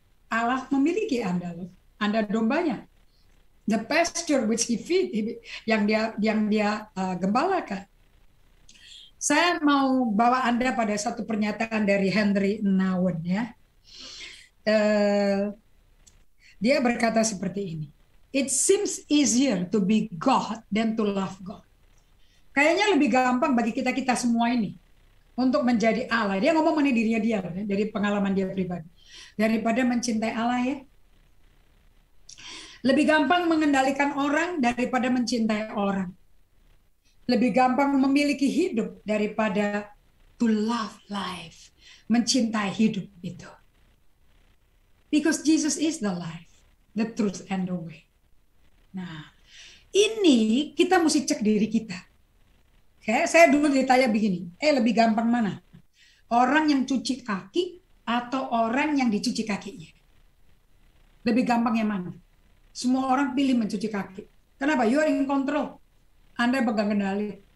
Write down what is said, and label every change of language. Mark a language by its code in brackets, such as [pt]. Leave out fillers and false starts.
[id] Allah memiliki Anda loh. Anda dombanya. [en] The pasture which he feed, [id] yang dia gembalakan. Saya mau bawa Anda pada satu pernyataan dari Henry Nouwen ya. Dia berkata seperti ini. [en] It seems easier to be God than to love God. [id] Kayaknya lebih gampang bagi kita-kita semua ini untuk menjadi Allah. Dia ngomong mengenai dirinya dia, ya, dari pengalaman dia pribadi. Daripada mencintai Allah ya. Lebih gampang mengendalikan orang daripada mencintai orang. Lebih gampang memiliki hidup daripada [en] to love life. [id] Mencintai hidup itu. [en] Because Jesus is the life, the truth and the way. [id] Nah, ini kita mesti cek diri kita. Kayak saya dulu ditanya begini, lebih gampang mana? Orang yang cuci kaki atau orang yang dicuci kakinya? Lebih gampang yang mana? Semua orang pilih mencuci kaki. Kenapa? [en] You are in control. [id] Anda pegang kendali.